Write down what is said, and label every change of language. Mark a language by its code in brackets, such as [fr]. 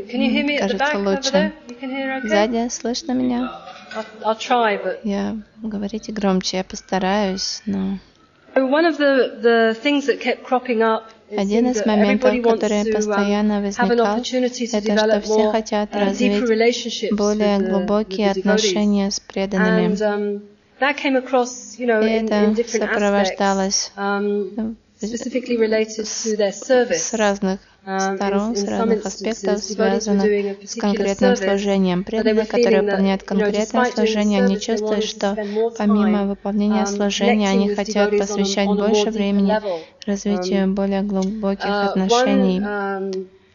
[en] Can you hear me at the back over there? You can hear okay? I'll try, but... [ru] громче, я постараюсь, но... [en] One of the things that kept cropping up [ru] один из моментов, который постоянно возникал, это что все хотят развить более глубокие отношения с преданными. [en] That came across, you know, in different aspects, specifically related to their service. [ru] С разных сторон, с разных аспектов, связанных с конкретным служением. Преданные, которые выполняют конкретное служение, они чувствуют, что помимо выполнения служения, они хотят посвящать больше времени развитию более глубоких отношений.